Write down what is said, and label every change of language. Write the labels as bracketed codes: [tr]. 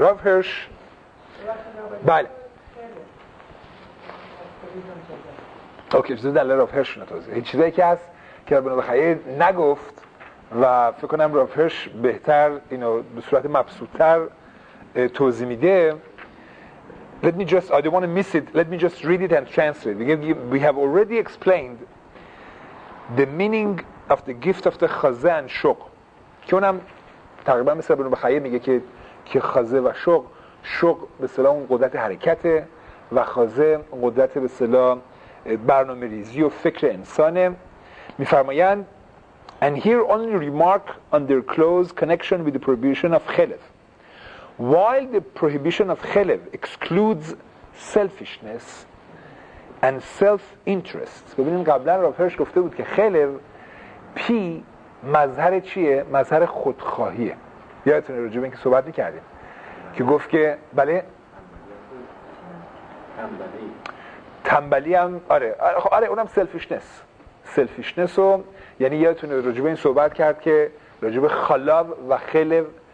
[fa] راف هرش بله اوکی چیزی دلیل راف هرش نه توضیح هیچ چیزی که هست که ربنا بخیه نگفت و فکر کنم راف هرش بهتر اینو به صورت مبسوط‌تر توضیح میده. [en] Let me just read it and translate. We have already explained the meaning of the gift of the خزه and شوق. [fa] که اونم تقریبا مثل ربنا بخیه میگه که خزه و شوق، شوق به اصطلاح اون قدرت حرکته و خزه قدرت به اصطلاح برنامه ریزی و فکر انسانه. میفرمایند [en] and here only remark on their close connection with the prohibition of [fa] خلف. [en] While the prohibition of khelev excludes selfishness and self-interest. [fa] ببینید قبلا راف هرش گفته بود که خلف پی مظهر چیه؟ مظهر خودخواهیه. یادتونه راجع به این که صحبت میکردیم که گفت که بله تنبلی هم آره اونم سلفیشنس و یعنی یادتونه راجع به این صحبت کرد که راجع به خلاو و خلف